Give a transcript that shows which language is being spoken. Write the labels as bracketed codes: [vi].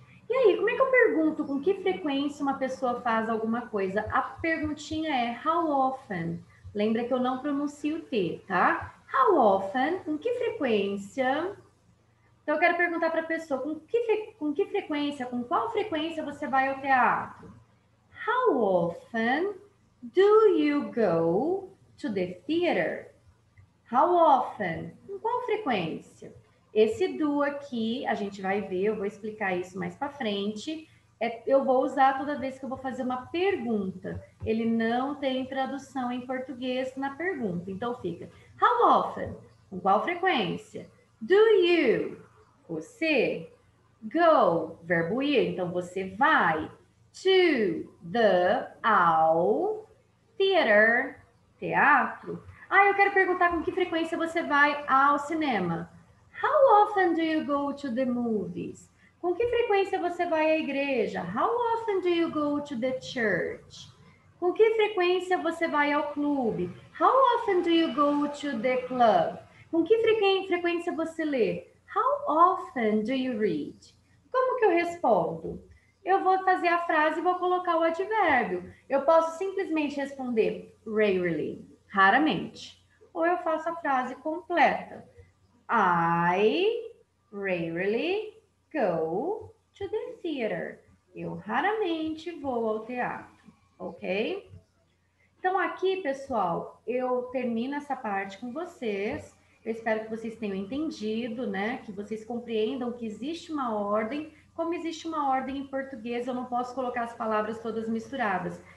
[pt] E aí, como é que eu pergunto com que frequência uma pessoa faz alguma coisa? A perguntinha é [en] how often? [pt] Lembra que eu não pronuncio T, tá? [en] How often, [pt] com que frequência? Então, eu quero perguntar para a pessoa, com que frequência, com qual frequência você vai ao teatro? [en] How often do you go to the theater? [pt] How often, com qual frequência? Esse do aqui, a gente vai ver, eu vou explicar isso mais para frente. Eu vou usar toda vez que eu vou fazer uma pergunta. Ele não tem tradução em português na pergunta. Então fica, [en] how often? [pt] Com qual frequência? [en] Do you? [pt] Você? Go? Verbo ir. Então você vai [en] to the, [pt] ao, theater, teatro. Ah, eu quero perguntar com que frequência você vai ao cinema. [en] How often do you go to the movies? [pt] Com que frequência você vai à igreja? [en] How often do you go to the church? [pt] Com que frequência você vai ao clube? [en] How often do you go to the club? [pt] Com que frequência você lê? [en] How often do you read? [pt] Como que eu respondo? Eu vou fazer a frase e vou colocar o advérbio. Eu posso simplesmente responder rarely, raramente. Ou eu faço a frase completa. [en] I rarely go to the theater. [pt] Eu raramente vou ao teatro, ok? Então aqui, pessoal, eu termino essa parte com vocês. Eu espero que vocês tenham entendido, né? Que vocês compreendam que existe uma ordem. Como existe uma ordem em português, eu não posso colocar as palavras todas misturadas.